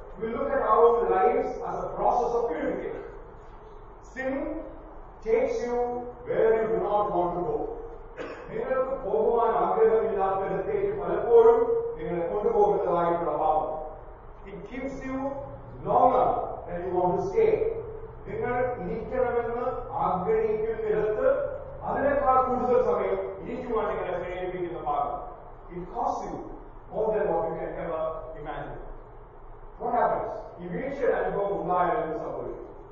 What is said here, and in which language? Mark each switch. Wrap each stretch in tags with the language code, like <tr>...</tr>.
<en>We look at our lives as a process of purification. Sin takes you where you do not want to go.</en> <ml>നിങ്ങൾക്ക് പോകുവാൻ ആഗ്രഹമില്ലാത്ത ഇടത്തേക്ക് പലപ്പോഴും നിങ്ങളെ കൊണ്ടുപോകുന്നതായിട്ടുള്ള ഭാവം.</ml> <en>It keeps you longer than you want to stay.</en> <ml>നിങ്ങൾ ഇരിക്കണമെന്ന് ആഗ്രഹിക്കുന്നിടത്ത് അതിനേക്കാൾ കൂടുതൽ സമയം ഇരിക്കുവാൻ നിങ്ങളെ പ്രേരിപ്പിക്കുന്ന ഭാഗം.</ml> <en>It costs you more than what you can ever imagine. What happens?</en> <ml>ഈ വീഴ്ചയുടെ അനുഭവം ഉണ്ടായാൽ എന്ന് സംഭവിക്കും.</ml>